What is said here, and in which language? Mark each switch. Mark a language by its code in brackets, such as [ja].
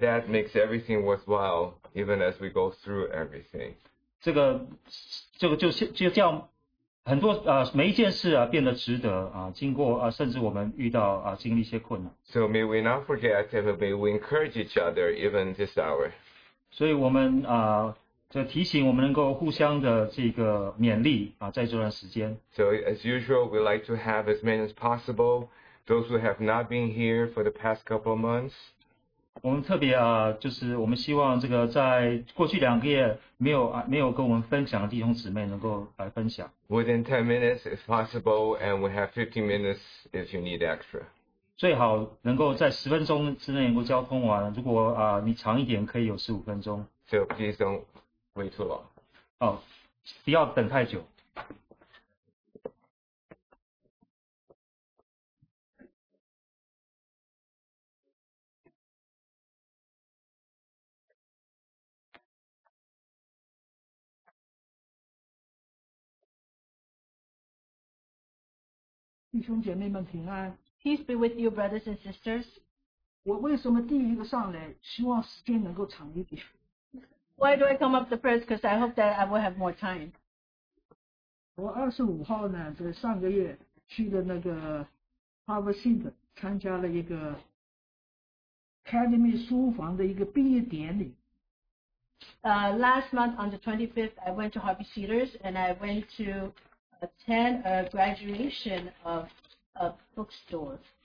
[en] that makes everything worthwhile, even as we go through everything. [zh] 这个就叫很多每一件事变得值得，经过甚至我们遇到经历一些困难。 [en] So may we not forget, and may we encourage each other even this hour. [zh] 所以我们提醒我们能够互相的勉励，在这段时间。 [en] So as usual, we like to have as many as possible those who have not been here for the past couple of months. [zh] 我们特别就是我们希望这个在过去两个月没有跟我们分享的弟兄姊妹能够来分享。 [en] Within 10 minutes if possible, and we have 15 minutes if you need extra. [zh] 最好能够在10分钟之内能够交通完，如果你长一点可以有15分钟。 [en] So please don't wait too long. [zh] 不要等太久。弟兄姐妹们平安。 [en] Peace be with you, brothers and sisters. [zh] 我为什么第一个上来，希望时间能够长一点。 [en] Why do I come up the first? Because I hope that I will have more time. [zh] 我25号呢，这个上个月去的那个 Harvard Center，参加了一个 Academy 书房的一个毕业典礼。 [en] Last month on the 25th, I went to Harvey Cedars and I went to attend a graduation of a bookstore.